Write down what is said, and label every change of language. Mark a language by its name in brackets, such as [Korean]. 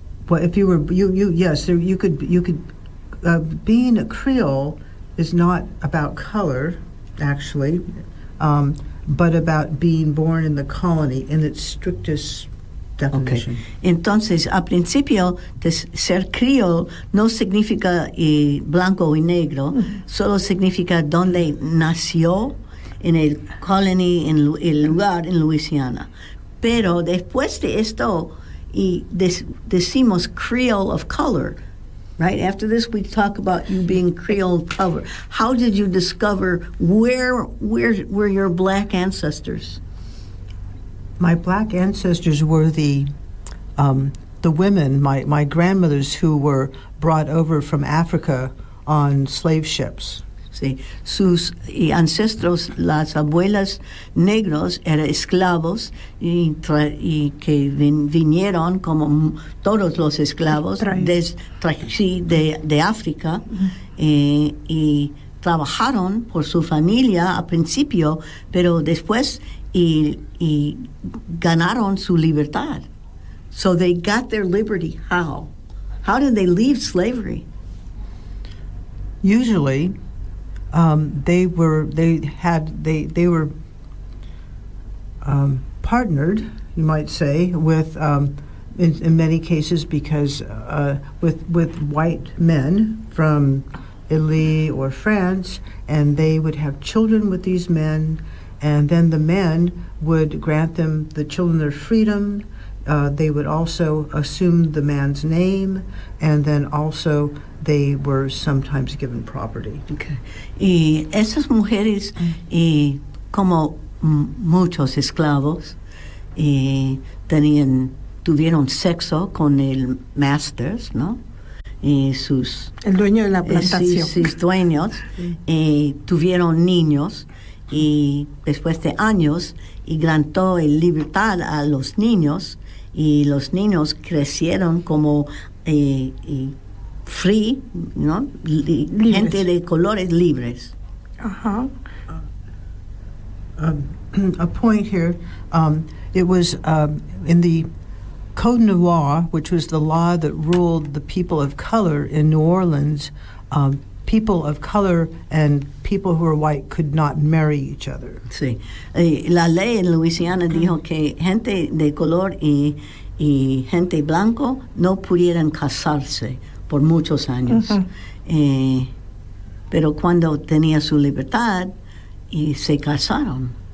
[English] Well, if you were you yes, you could. Being a Creole is not about color, actually, but about being born in the colony in its strictest. Definition. Okay. [Spanish] Entonces, al principio, ser criol no significa blanco y negro, solo significa donde nació, en el colony, en el lugar, en Louisiana. Pero después de esto, y decimos [English] creole of color, right? After this, we talk about you being creole of color. How did you discover where were your black ancestors? My black ancestors were the women, my grandmothers, who were brought over from Africa on slave ships. [Spanish] Sí, sus ancestros, las abuelas negros, eran esclavos y que vinieron como todos los esclavos de África y trabajaron por su familia al principio, pero después. Y ganaron su libertad. [English] So they got their liberty. How? How did they leave slavery? Usually, they were partnered, you might say, with in many cases, because with white men from Italy or France, and they would have children with these men, and then the men would grant them the children their freedom. They would also assume the man's name, and then also they were sometimes given property. Okay. [Spanish] Y esas mujeres, y como muchos esclavos, y tenían, tuvieron sexo con el masters, ¿no? Y sus, el dueño de la plantación. Sus dueños, y tuvieron niños, y después de años, y grantó el libertad a los niños, y los niños crecieron como free, ¿no? Libres. Gente de colores libres. Ajá. [English] A point here, it was in the Code Noir, which was the law that ruled the people of color in New Orleans, people of color and people who were white could not marry each other. Sí. [Spanish] La ley en Louisiana dijo que gente de color y gente blanco no pudieran casarse por muchos años. Uh-huh. Pero cuando tenía su libertad, y se casaron.